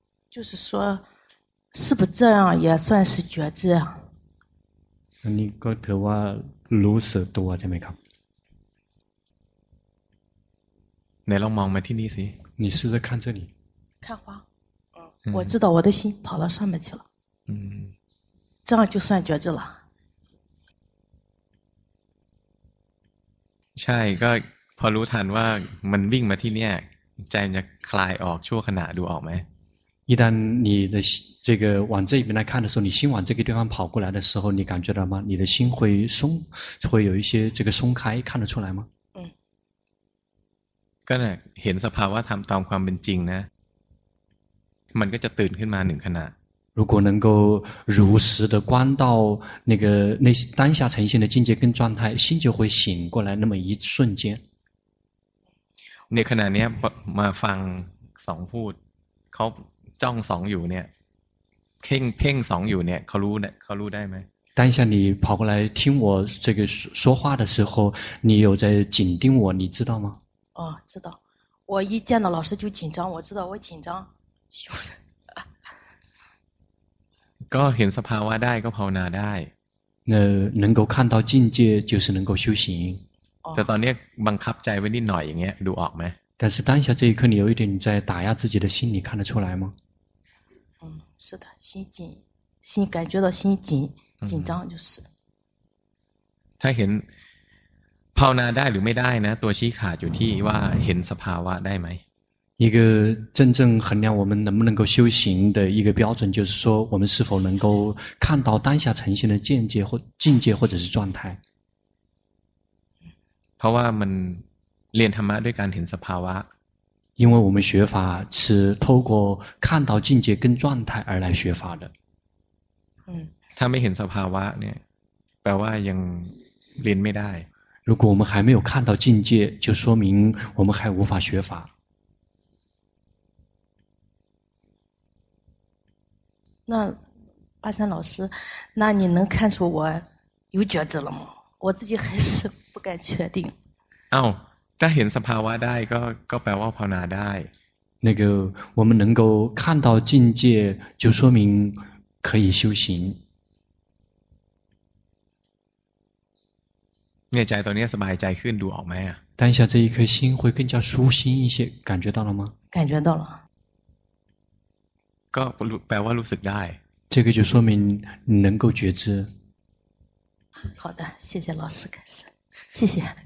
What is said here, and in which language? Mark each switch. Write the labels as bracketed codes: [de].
[zh] 就是说是不这样也算是觉知啊 [th] อันนี้ก็ถือว่ารู้สึกตัวใช่ไหมครับ ไหนลองมองมาที่นี่สิ [zh] 你试着看这里看花我知道我的心跑到上面去了这样就算觉知了 [th] ใช่ก็พอรู้ทันว่ามันวิ่งมาที่เนี่ยใจมันจะคลายออกชั่วขณะดูออกไหม [zh] 一旦你的这个往这边来看的时候，你心往这个地方跑过来的时候，你感觉到吗？你的心会松，会有一些这个松开，看得出来吗？ [th] ก็เนี่ยเห็นสภาวะธรรมตามความเป็นจริงนะมันก็จะตื่นขึ้นมาหนึ่งขณะ [zh] 如果能够如实的观到那个那当下呈现的境界跟状态，心就会醒过来那么一瞬间。 [th] ในขณะนี้มาฟังสองพูดเขาจ้องสองอยู่เนี่ยเพ่งสองอยู่เนี่ยเขารู้ได้ไหม [zh] 当下你跑过来听我这个说话的时候，你有在紧盯我，你知道吗？哦，知道。我一见到老师就紧张，我知道我紧张。有人。 [th] ก็เห็นสภาวะได้ก็ภาวนาได้ [zh] 能够看到境界就是能够修行 [th] แต่ตอนนี้บังคับใจไว้นิดหน่อยอย่างเงี้ยดูออกไหม [zh] 但是当下这一刻你有一点在打压自己的心你看得出来吗是的心紧心感觉到心紧紧张就是 [th] ถ้าเห็นภาวนาได้หรือไม่ได้นะตัวชี้ขาดอยู่ที่ว่าเห็นสภาวะได้ไหม [zh] 一个真正衡量我们能不能够修行的一个标准，就是说我们是否能够看到当下呈现的见解或境界或者是状态。 [th] เพราะว่ามันเรียนธรรมะด้วยการเห็นสภาวะ。 [zh] 因为我们学法是透过看到境界跟状态而来学法的。 [th] ถ้าไม่เห็นสภาวะเนี่ยแปลว่ายังเรียนไม่ได้。 [zh] 如果我们还没有看到境界，就说明我们还无法学法。那巴山老师，那你能看出我有觉知了吗？我自己还是不敢确定。 [th] 哦，ถ้าเห็นสภาวะได้ก็แปลว่าภาวนาได้。 [zh] 那个我们能够看到境界，就说明可以修行。 [th] เนี่ยใจตอนนี้สบายใจขึ้นดูออกไหม？ [zh] 当下这一颗心会更加舒心一些，感觉到了吗？感觉到了。 [th] ก็แปลว่ารู้สึกได้ [zh] 这个就说明能够觉知好的谢谢老师开始谢谢